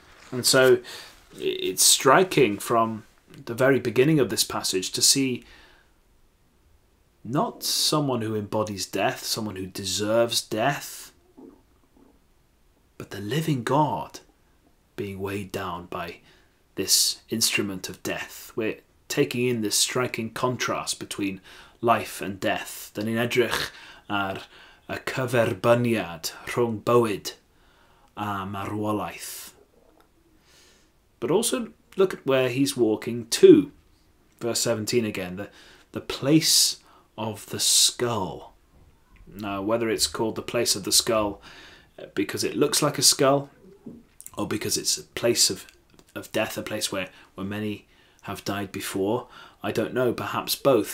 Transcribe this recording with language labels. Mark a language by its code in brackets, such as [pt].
[en] And so it's striking from the very beginning of this passage to see not someone who embodies death, someone who deserves death, but the living God being weighed down by this instrument of death. We're taking in this striking contrast between life and death. [cy] Dan ni'n edrych ar y cyferbyniad rhwng bywyd a marwolaeth. [en] But also look at where he's walking to. Verse 17 again, the place of the skull. Now, whether it's called the place of the skull because it looks like a skull, or because it's a place of death, a place where many have died before, I don't know, perhaps both.